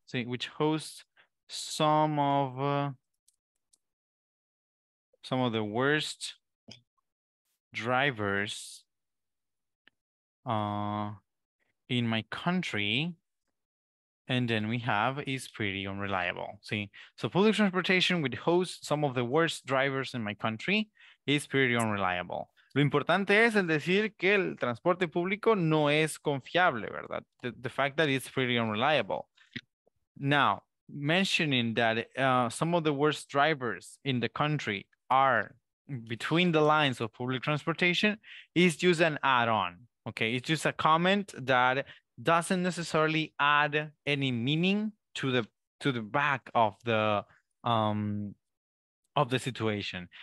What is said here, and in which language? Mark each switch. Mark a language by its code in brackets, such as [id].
[en] Sí, which hosts some of the worst drivers. In my country, and then we have is pretty unreliable. See, so public transportation would host some of the worst drivers in my country is pretty unreliable. [es] Lo importante es el decir que el transporte público no es confiable, ¿verdad? [en] The fact that it's pretty unreliable. Now, mentioning that some of the worst drivers in the country are between the lines of public transportation is just an add-on. Okay, it's just a comment that doesn't necessarily add any meaning to the back of the situation.